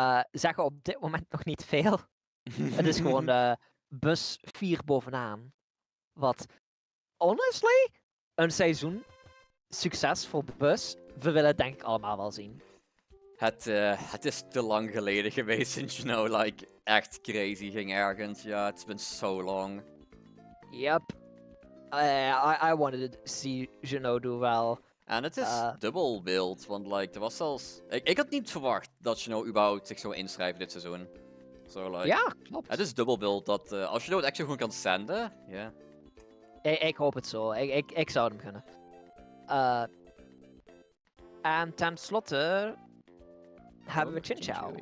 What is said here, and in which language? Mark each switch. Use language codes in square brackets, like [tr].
[nl] Zeggen op dit moment nog niet veel. Het is gewoon de bus 4 bovenaan. Wat, honestly, een seizoen succes voor de bus. We willen het denk ik allemaal wel zien. Het is te lang geleden geweest, sinds you know, like, echt crazy ging ergens. [en] Ja, yeah, it's been so long. Yep. I wanted to see Genoa do well. [nl] En het is dubbel wild, want like, er was zelfs... Ik had niet verwacht dat Genoa überhaupt zich zou inschrijven dit seizoen. So, like, ja, klopt. Het is dubbel wild dat als Genoa het echt zo goed kan senden, ja. Yeah. Ik hoop het zo. Ik zou hem gunnen. En tenslotte... Hebben we Chinchou.